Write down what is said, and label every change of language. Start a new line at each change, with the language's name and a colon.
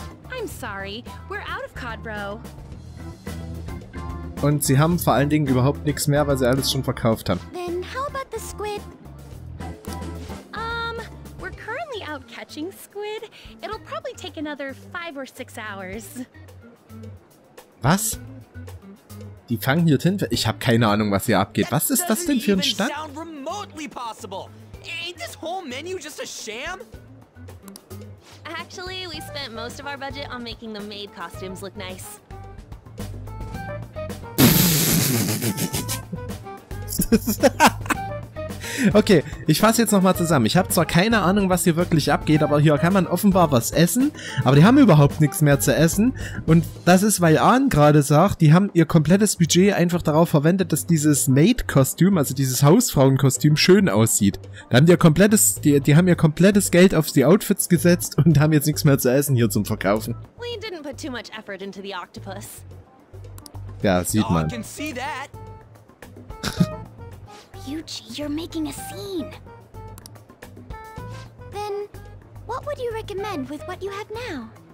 English: I'm sorry, we're out of Codbro.
German: Und sie haben vor allen Dingen überhaupt nichts mehr, weil sie alles schon verkauft haben.
English: Then how about the squid? We're currently out catching squid. It'll probably take another 5 or 6 hours.
German: Was? Die fangen hier hinten. Ich habe keine Ahnung, was hier abgeht. Was ist das denn für ein Stand?
English: Sound remotely possible. Ain't this whole menu just a sham? Actually, we spent most of our budget on making the maid costumes look nice.
German: Okay, ich fasse jetzt nochmal zusammen. Ich habe zwar keine Ahnung, was hier wirklich abgeht, aber hier kann man offenbar was essen, aber die haben überhaupt nichts mehr zu essen. Und das ist, weil Ahn gerade sagt, die haben ihr komplettes Budget einfach darauf verwendet, dass dieses Maid-Kostüm, also dieses Hausfrauen-Kostüm, schön aussieht. Da haben die haben ihr komplettes Geld auf die Outfits gesetzt und haben jetzt nichts mehr zu essen hier zum Verkaufen.
English: We didn't put too much effort into the octopus.
German: Ja, sieht man.
English: Yuji, you're making a scene. Then, what would you recommend with what you have now?